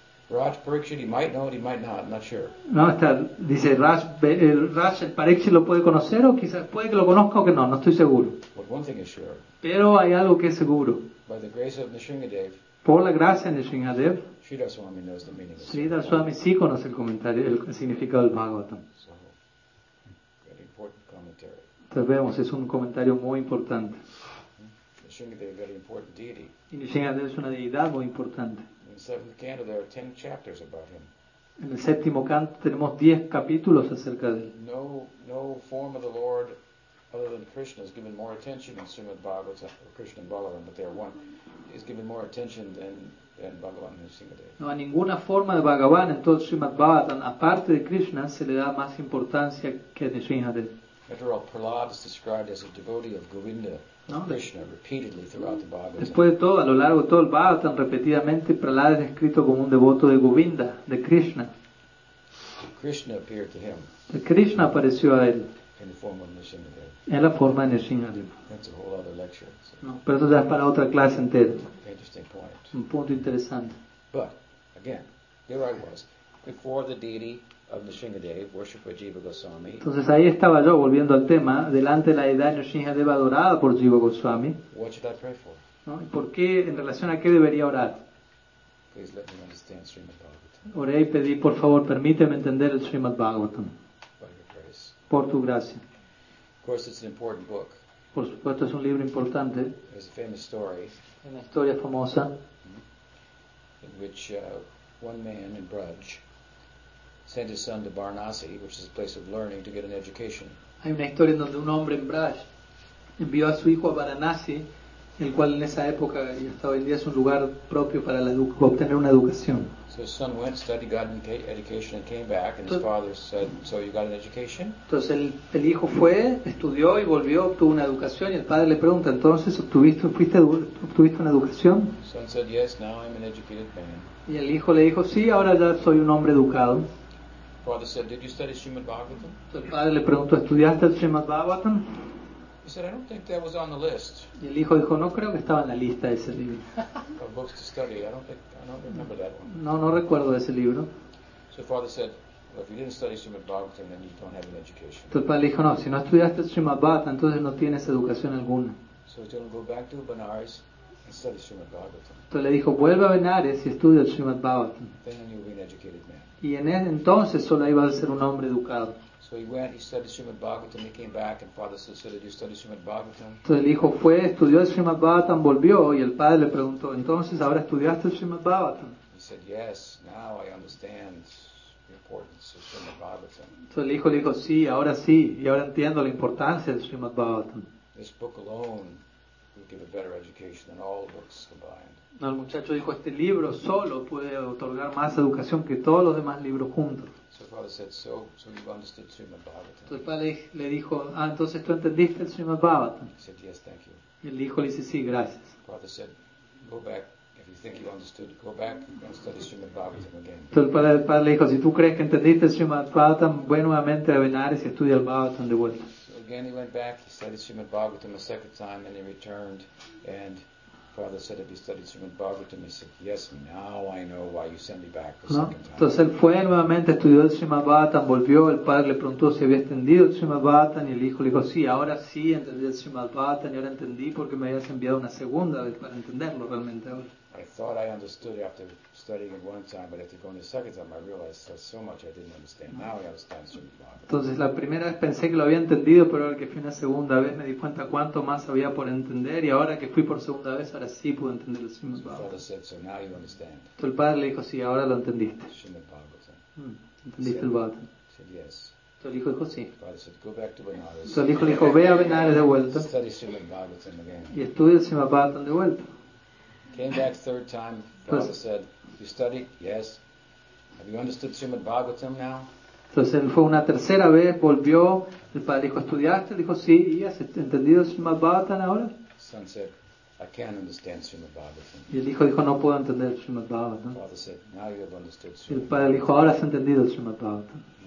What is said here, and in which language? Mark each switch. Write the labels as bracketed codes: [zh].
[en] Raj Parikshit, he might know it, he might not, I'm not sure. [es] No, está, dice, Raj Parikshit lo puede conocer o quizás puede que lo conozca o que no estoy seguro. [en] But one thing is sure. [es] Pero hay algo que es seguro. [en] By the grace of Nrsingadev, [es] por la gracia de Nrsingadev, [en] Sridhar Swami knows the meaning of [es] Sridhar Sridhar Swami sí conoce el comentario, el significado del Bhagavatam. [en] So, very important commentary. [es] Entonces vemos, es un comentario muy importante. [en] Nrsingadev, very important deity. [es] Y Nrsingadev es una deidad muy importante. [en] In the seventh canto, there are 10 chapters about him. [es] En el séptimo canto tenemos 10 capítulos acerca de él. [en] No form of the Lord other than Krishna is given more attention in Srimad Bhagavatam, or Krishna and Balaram, but they are one. Is given more attention than Bhagavan and Nrsingadev. [es] No, a ninguna forma de Bhagavan en todo Srimad Bhagavatam, aparte de Krishna, se le da más importancia que Nrsingadev. [en] After all, Prahlad is described as a devotee of Govinda, no, Krishna, repeatedly throughout the Bhagavatam. [es] Después de todo, a lo largo de todo el Bhagavatam, repetidamente, Prahlad es descrito como un devoto de Govinda, de Krishna. [en] Krishna appeared to him. [es] De Krishna apareció a él. [en] In the form of Nrsingadev. [es] En la forma de Nrsingadev. [en] That's a whole other lecture. [es] No, pero eso ya es para otra clase entera. [en] Interesting point. [es] Un punto interesante. [en] But again, there I was, before the deity of Nrsingadev, worship by Jiva Goswami. [es] Entonces ahí estaba yo volviendo al tema, delante de la deidad Nrsingadev adorada por Jiva Goswami. [en] What should I pray for? [es] ¿No? ¿Y por qué, en relación a qué debería orar? [en] Please let me understand Srimad Bhagavatam. [es] Oré y pedí, por favor, permíteme entender el Srimad Bhagavatam. Por tu gracia. [en] Of course, it's an important book. [es] Por supuesto, es un libro importante. [en] There's a famous story. [es] Una historia famosa. [en] In which one man in Braj sent his son to Varanasi, which is a place of learning, to get an education. [es] Hay una historia en donde un hombre en Braj envió a su hijo a Varanasi el cual en esa época y hasta hoy en día es un lugar propio para la obtener una educación. [en] So his son went, studied, got an education, and came back, and his father said, "So you got an education?" [es] Entonces el hijo fue, estudió y volvió, obtuvo una educación, y el padre le pregunta, "¿Entonces obtuviste una educación?" [en] Son said, "Yes, now I'm an educated man." [es] Y el hijo le dijo, "Sí, ahora ya soy un hombre educado." [en] Father said, "Did you study Srimad Bhagavatam?" [es] El padre le preguntó, "¿Estudiaste el Srimad Bhagavatam?" [en] He said, "I don't think that was on the list." [es] Y el hijo dijo, "No creo que estaba en la lista de ese libro." [en] Of books to study, I don't remember that one. [es] No recuerdo ese libro. [en] So father said, "Well, if you didn't study Srimad Bhagavatam, then you don't have an education." [es] Entonces el padre dijo, "No, si no estudiaste Srimad Bhagavatam, entonces no tienes educación alguna." [en] So he told him, "Go back to Benares and study Srimad Bhagavatam." [es] Entonces le dijo, "Vuelve a Benares y estudia el Srimad Bhagavatam." [en] Then you'll be an educated man. [es] Y en ese entonces solo iba a ser un hombre educado. [en] So he went, he studied Srimad Bhagavatam, he came back, and father said, "So did you study Srimad Bhagavatam?" [es] Entonces el hijo fue, estudió el Srimad Bhagavatam, volvió, y el padre le preguntó, "¿Entonces ahora estudiaste el Srimad Bhagavatam?" [en] He said, "Yes, now I understand the importance of Srimad Bhagavatam." [es] Entonces el hijo le dijo, sí, y ahora entiendo la importancia del Srimad Bhagavatam. [en] This book alone will give a better education than all books combined. [es] No, el muchacho dijo, este libro solo puede otorgar más educación que todos los demás libros juntos. [en] So you've understood Srimad Bhagavatam. [es] Entonces el padre le dijo, entonces tú entendiste el Srimad Bhagavatam. [en] He said, "Yes, thank you." [es] Y el hijo le dice, sí, gracias. [en] Father said, "Go back if you think you understood. Go back and study Srimad Bhagavatam again." [es] Entonces el padre le dijo, si tú crees que entendiste el Srimad Bhagavatam, ve nuevamente a Benares y estudia el Bhagavatam de vuelta. [en] So again he went back, he studied Srimad Bhagavatam a second time, and he returned, and father said, "Have you studied Srimad Bhagavatam?" He said, "Yes, now I know why you sent me back the second time." [es] Entonces él fue nuevamente, estudió el Srimad Bhagavatam, volvió, el padre le preguntó si había entendido el Srimad Bhagavatam, y el hijo le dijo, sí, ahora sí entendí el Srimad Bhagavatam, y ahora entendí porque me habías enviado una segunda vez para entenderlo realmente ahora. [en] I thought I understood after studying it one time, but after going the second time, I realized there's so much I didn't understand. Now I understand Srimad Bhagavatam. [es] Entonces la primera vez pensé que lo había entendido, pero ahora que fui una segunda vez me di cuenta cuánto más había por entender, y ahora que fui por segunda vez, ahora sí pude entender el Srimad Bhagavatam. [en] Father said, "So now you understand." [es] Entonces el padre le dijo, sí, ahora lo entendiste. [en] Srimad Bhagavatam. [es] Entendiste el Bhagavatam. [en] Said yes. [es] Entonces el hijo dijo, sí. [en] Father said, "Go back to Benares." [es] Entonces el hijo le dijo, ve a Benares de vuelta. [en] Study Srimad Bhagavatam again. [es] Y estudia el Srimad Bhagavatam de vuelta. [en] Came back third time, father said, "You studied? Yes. Have you understood Srimad Bhagavatam now?" [es] Entonces él fue una tercera vez, volvió, el padre dijo, "¿Estudiaste?" Dijo, "Sí, ¿y has entendido Srimad Bhagavatam ahora?" [en] Son said, "I can't understand Srimad Bhagavatam." [es] Y el hijo dijo, "No puedo entender Srimad Bhagavatam." [en] Father said, "Now you have understood [es] Srimad Bhagavatam." El padre dijo, "Ahora has entendido Srimad Bhagavatam."